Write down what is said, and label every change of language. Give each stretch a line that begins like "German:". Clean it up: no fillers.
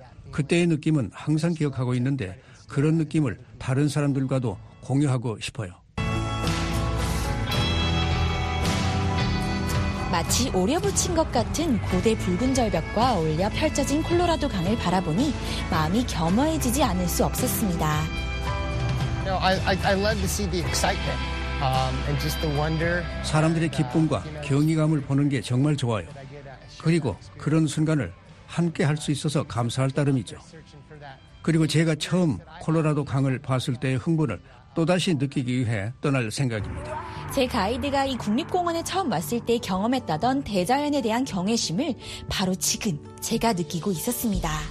Korean: 그때의 느낌은 항상 기억하고 있는데 그런 느낌을 다른 사람들과도 공유하고 싶어요. 마치 오려붙인 것 같은 고대 붉은 절벽과 어울려 펼쳐진 콜로라도 강을 바라보니 마음이 겸허해지지 않을 수 없었습니다.
English: You know, I love to see the excitement and just the wonder.
Korean: 사람들의 기쁨과 경이감을 보는 게 정말 좋아요. 그리고 그런 순간을 함께 할 수 있어서 감사할 따름이죠. 그리고 제가 처음 콜로라도 강을 봤을 때의 흥분을 또다시 느끼기 위해 떠날 생각입니다. 제 가이드가 이 국립공원에 처음 왔을 때 경험했다던 대자연에 대한 경외심을 바로 지금 제가 느끼고 있었습니다.